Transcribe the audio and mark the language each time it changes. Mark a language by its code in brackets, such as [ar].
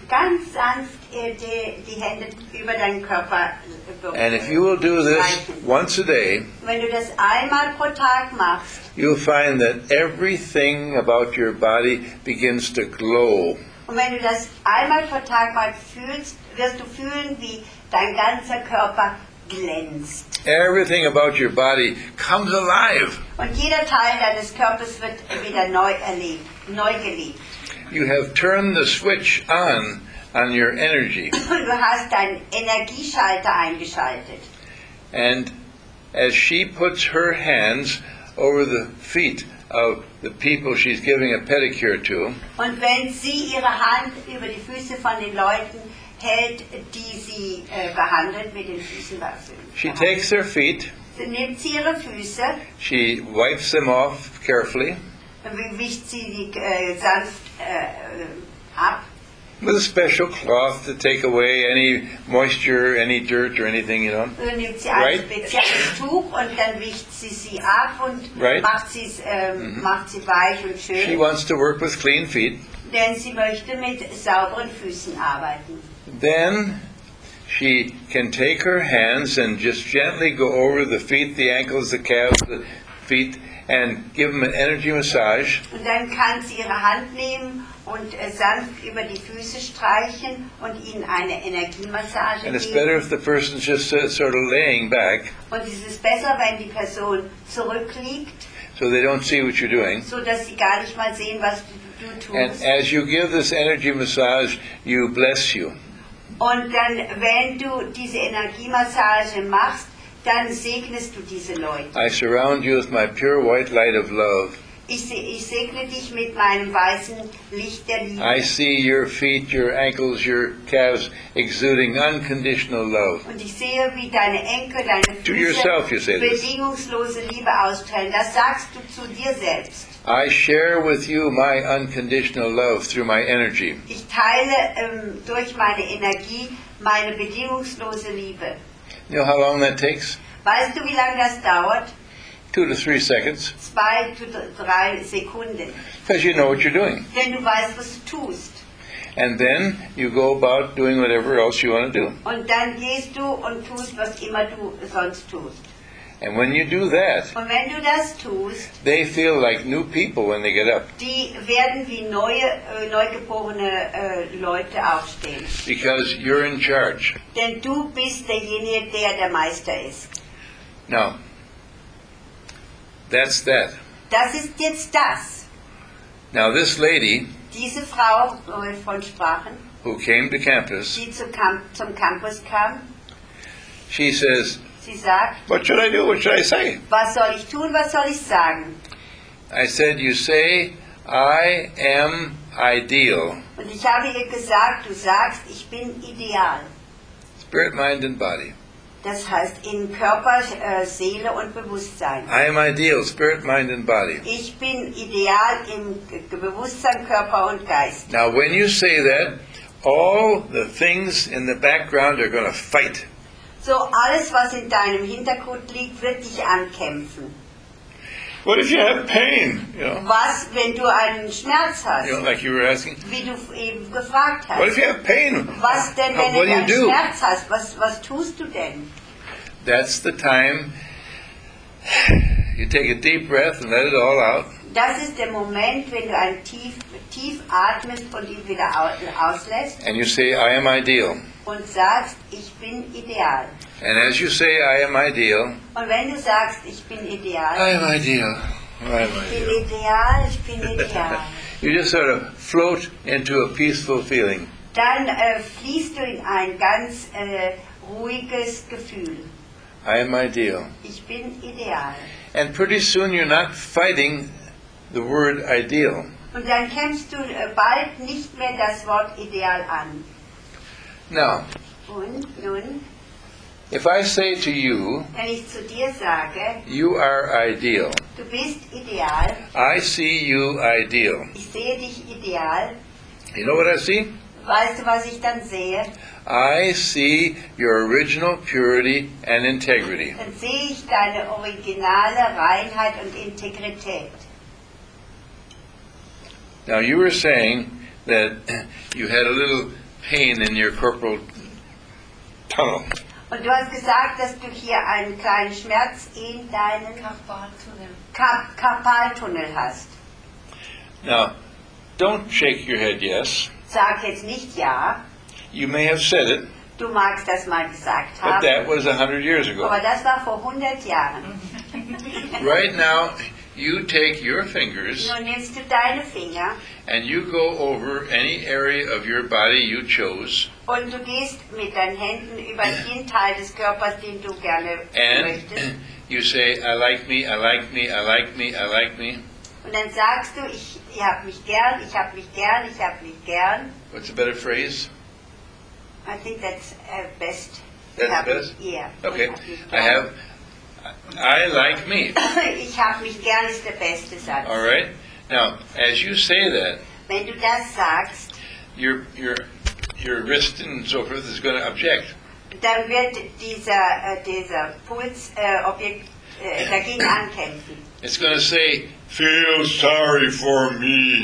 [de] Ganz sanft die Hände über deinen Körper berühren. [en] And if you will do this once a day, [de] wenn du das einmal pro Tag machst, [en] you'll find that everything about your body begins to glow. [de] Und wenn du das einmal pro Tag mal fühlst, wirst du fühlen, wie dein ganzer Körper glänzt. [en] Everything about your body comes alive. [de] Und jeder Teil deines Körpers wird wieder neu erlebt, neu gelebt. [en] You have turned the switch on your energy. [de] Du hast deinen Energieschalter eingeschaltet. [en] And as she puts her hands over the feet of the people she's giving a pedicure to. [de] Und wenn sie ihre Hand über die Füße von den Leuten hält, die sie behandelt mit den Füßen. [en] She takes their feet. [de] Sie nimmt sie ihre Füße. [en] She wipes them off carefully. [de] Wischt sie sanft ab. [en] With a special cloth to take away any moisture, any dirt, or anything, you know. [de] Nimmt sie ein spezielles Tuch und dann wischt sie sie ab und macht sie weich und schön. [en] She wants to work with clean feet. [de] Denn sie möchte mit sauberen Füßen arbeiten. [en] Then she can take her hands and just gently go over the feet, the ankles, the calves, the feet, and give them an energy massage. [de] Und dann kann sie ihre Hand nehmen und sanft über die Füße streichen und ihnen eine Energiemassage geben. [en] And it's better if the person's just sort of laying back. [de] Und es ist besser, wenn die Person zurückliegt. [en] So they don't see what you're doing. [de] So dass sie gar nicht mal sehen, was du tust. [en] And as you give this energy massage, you bless you. [de] Und dann, wenn du diese Energiemassage machst, dann segnest du diese Leute. [en] I surround you with my pure white light of love. [de] Ich segne dich mit meinem weißen Licht der Liebe. [en] I see your feet, your ankles, your calves exuding unconditional love. [de] Und ich sehe, wie deine Enkel, deine Füße [en] to yourself, you say [de] bedingungslose [en] this. [de] Liebe ausstrahlen. Das sagst du zu dir selbst. [en] I share with you my unconditional love through my energy. [de] Ich teile durch meine Energie meine bedingungslose Liebe. [en] You know how long that takes? [de] Weißt du, wie lange das dauert? [en] 2 to 3 seconds. 2 to 3 seconds. Because you know what you're doing. [de] Denn du weißt, was du tust. [en] And then you go about doing whatever else you want to do. [de] Und dann gehst du und tust, was immer du sonst tust. [en] And when you do that, [de] und wenn du das tust, [en] they feel like new people when they get up. [de] Die werden wie neugeborene Leute aufstehen. [en] Because you're in charge. [de] Denn du bist derjenige, der Meister ist. [en] Now, that's that. [de] Das ist jetzt das. [en] Now this lady, [de] diese Frau von Sprachen, [en] who came to campus, [de] die zum Campus kam, [en] she says, [de] sie sagt, [en] what should I do? What should I say? [de] Was soll ich tun? Was soll ich sagen? [en] I said, you say, I am ideal. [de] Und ich habe ihr gesagt, du sagst, ich bin ideal. [en] Spirit, mind and body. [de] Das heißt in Körper, Seele und Bewusstsein. [en] I am ideal, spirit, mind and body. [de] Ich bin ideal im Bewusstsein, Körper und Geist. [en] Now when you say that, all the things in the background are going to fight. [de] So alles, was in deinem Hintergrund liegt, wird dich ankämpfen. [en] What if you have pain? You know? [de] Was, wenn du einen Schmerz hast? [en] You know, like you were asking. [de] Wie du eben gefragt hast. [en] What if you have pain? [de] Was denn, wenn [en] what [de] du einen [en] do? [de] Schmerz hast? Was tust du denn? [en] That's the time you take a deep breath and let it all out. [de] Das ist der Moment, wenn du einen tief atmest und ihn wieder auslässt. [en] And you say, I am ideal. [de] Und sagst, ich bin ideal. [en] And as you say, I am ideal. [de] Und wenn du sagst, ich bin ideal. [en] I am ideal. I am [de] ich bin ideal. Ich bin ideal. [en] You just sort of float into a peaceful feeling. [de] Dann fließt du in ein ganz ruhiges Gefühl. [en] I am ideal. [de] Ich bin ideal. [en] And pretty soon you're not fighting the word ideal. [de] Und dann kämpfst du bald nicht mehr das Wort Ideal an. [en] Now, [de] und nun, [en] if I say to you, [de] wenn ich zu dir sage, [en] you are ideal, [de] du bist ideal, [en] I see you ideal. [de] Ich sehe dich ideal. [en] You know what I see? [de] Weißt du, was ich dann sehe? [en] I see your original purity and integrity. [de] Dann sehe ich deine originale Reinheit und Integrität. [en] Now you were saying that you had a little pain in your carpal tunnel. [de] Und du hast gesagt, dass du hier einen kleinen Schmerz in deinen Karpaltunnel hast. [en] Now, don't shake your head yes. [de] Sag jetzt nicht ja. [en] You may have said it. [de] Du magst das mal gesagt haben. [en] But that was 100 years ago. [de] Aber das war vor 100 Jahren. [en] Right now, you take your fingers. [de] Nun nimmst du deine Finger. [en] And you go over any area of your body you chose. [de] Und du gehst mit deinen Händen über den Teil des Körpers, den du gerne möchtest. [en] And you say, I like me, I like me, I like me, I like me. [de] Und dann sagst du, ich hab mich gern, ich hab mich gern, ich hab mich gern. [en] What's a better phrase? I think that's best. That's the best? Yeah. Okay. I have, I like me. [de] Ich hab mich gern ist der beste Satz. [en] All right. Now, as you say that, [de] wenn du das sagst, [en] your wrist and so forth is going to object. [de] Dann wird dieser Puls Objekt dagegen ankämpfen. [en] It's going to say, feel sorry for me.